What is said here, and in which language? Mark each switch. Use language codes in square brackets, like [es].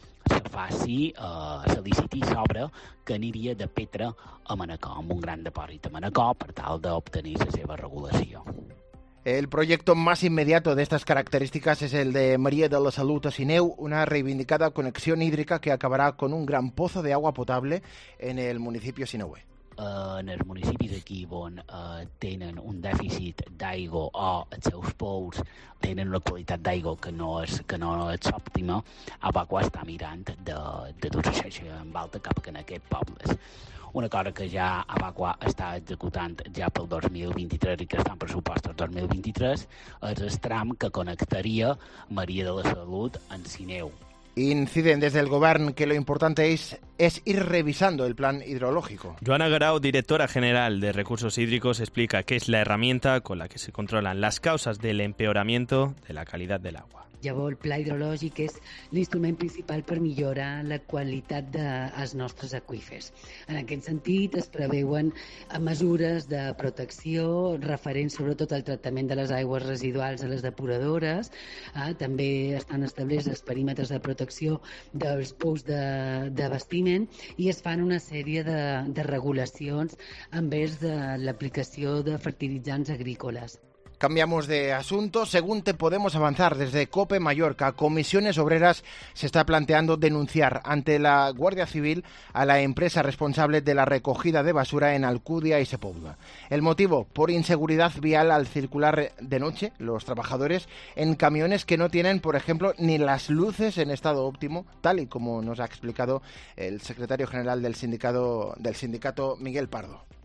[ca] se faci, se liciti s'obra que aniria de Petra a Manacor, amb un gran depòrit a Manacor, per tal d'obtenir la seva regulació. [es] El proyecto más inmediato de estas características es el de María de la Salut a Sineu, una reivindicada conexión hídrica que acabará con un gran pozo de agua potable en el municipio sineué. [ca] En els municipis aquí on tenen un dèficit d'aigua o els seus pous tenen una qualitat d'aigua que no és òptima, Abaco està mirant de dur-se això en volta cap en aquest poble. Una cosa que ja Abaco està executant ja pel 2023 i que està en pressupost el 2023 és el tram que connectaria Maria de la Salut en Sineu. [es] Inciden desde el gobierno que lo importante es ir revisando el plan hidrológico. Joana Garau, directora general de Recursos Hídricos, explica que es la herramienta con la que se controlan las causas del empeoramiento de la calidad del agua. [ca] Llavors, el pla hidrològic és l'instrument principal per millorar la qualitat dels nostres aqüífers. En aquest sentit, es preveuen mesures de protecció referents sobretot al tractament de les aigües residuals a les depuradores. També estan establerts els perímetres de protecció dels pous d'abastiment i es fan una sèrie de regulacions envers de l'aplicació de fertilitzants agrícoles. [es] Cambiamos de asunto. Según Te Podemos Avanzar, desde COPE Mallorca, Comisiones Obreras se está planteando denunciar ante la Guardia Civil a la empresa responsable de la recogida de basura en Alcúdia y Sepúlveda. El motivo, por inseguridad vial al circular de noche los trabajadores en camiones que no tienen, por ejemplo, ni las luces en estado óptimo, tal y como nos ha explicado el secretario general del sindicato Miguel Pardo.